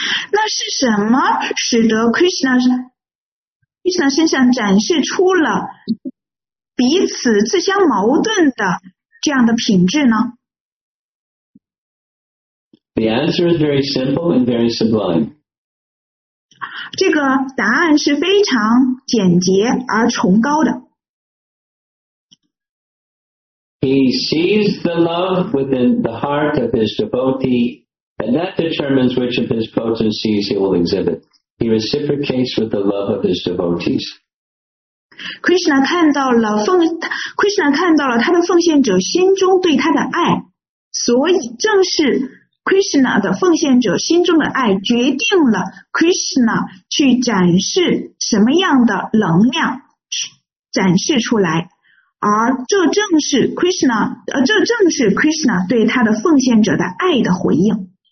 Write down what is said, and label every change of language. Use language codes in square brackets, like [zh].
[zh] 那是什么使得 Krishna 身上展示出了彼此自相矛盾的这样的品质呢？ [en] The answer is very simple and very sublime. [zh] 这个答案是非常简洁而崇高的。 [en] He sees the love within the heart of his devotee and that determines which of his potencies he will exhibit. He reciprocates with the love of his devotees. [zh] Krishna 看到了他的奉献者心中对他的爱，所以正是 Krishna 的奉献者心中的爱决定了 Krishna 去展示什么样的能量展示出来，而这正是 Krishna 对他的奉献者的爱的回应。